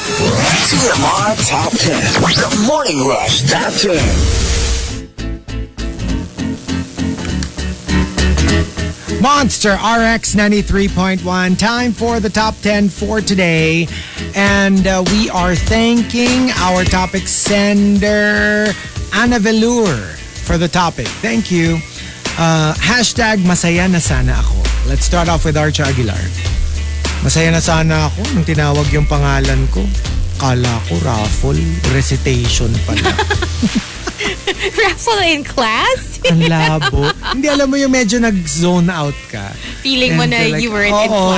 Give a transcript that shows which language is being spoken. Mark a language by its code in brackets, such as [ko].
[en] TMR Top 10. The Morning Rush Top 10. Monster RX 93.1. Time for the top 10 for today. And we are thanking our topic sender, Anna Velour, for the topic. Thank you. [tl] Hashtag masaya na sana ako. [en] Let's start off with Archie Aguilar. [tl] Masaya na sana ako nung tinawag yung pangalan ko. Kala ko raffle recitation pala. [en] Raffle in class? [tl] Ang labo. Hindi, alam mo yung medyo nag-zone out ka. [en] Feeling mo na like, you weren't in class.